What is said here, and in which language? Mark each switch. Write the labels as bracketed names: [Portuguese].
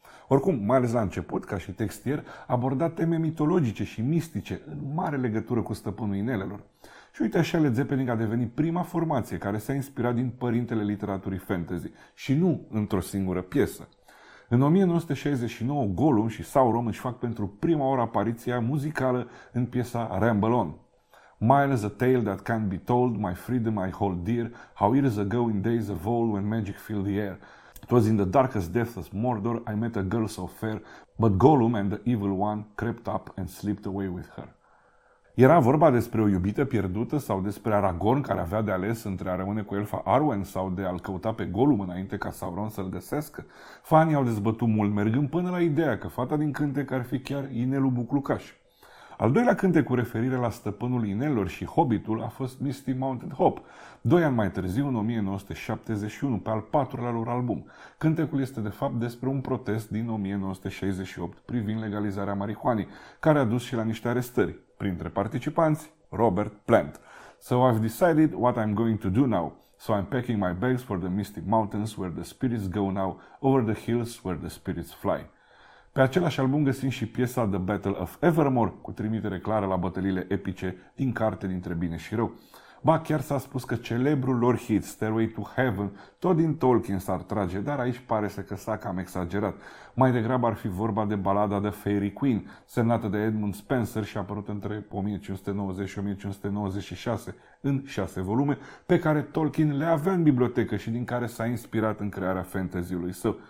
[Romanian] Oricum, mai ales la început, ca și textier, aborda teme mitologice și mistice în mare legătură cu Stăpânul Inelelor. Și uite așa, Led Zeppelin a devenit prima formație care s-a inspirat din părintele literaturii fantasy și nu într-o singură piesă. În 1969, Gollum și Sauron își fac pentru prima oară apariția muzicală în piesa Ramble On. [English] Miles a tale that can't be told, my freedom I hold dear, how years ago in days of old when magic filled the air. It was in the darkest depths of Mordor I met a girl so fair, but Gollum and the evil one crept up and slipped away with her. [Romanian] Era vorba despre o iubită pierdută sau despre Aragorn care avea de ales între a rămâne cu elfa Arwen sau de a-l căuta pe Gollum înainte ca Sauron să-l găsească? Fanii au dezbătut mult, mergând până la ideea că fata din cântec ar fi chiar Inelul Buclucaș. Al doilea cântec cu referire la Stăpânul Inelor și Hobbitul a fost Misty Mountain Hop, 2 ani mai târziu, în 1971, pe al patrulea lor album. Cântecul este de fapt despre un protest din 1968 privind legalizarea marihuanei, care a dus și la niște arestări. Printre participanți, Robert Plant. [English] So I've decided what I'm going to do now. So I'm packing my bags for the Misty Mountains where the spirits go now, over the hills where the spirits fly. [Romanian] Pe același album găsim și piesa The Battle of Evermore, cu trimitere clară la bătăliile epice din carte dintre bine și rău. Ba, chiar s-a spus că celebrul lor hit, Stairway to Heaven, tot din Tolkien s-ar trage, dar aici pare să că s-a cam exagerat. Mai degrabă ar fi vorba de balada The Fairy Queen, semnată de Edmund Spenser și apărut între 1590 și 1596, în 6 volume, pe care Tolkien le avea în bibliotecă și din care s-a inspirat în crearea fantasy-ului său.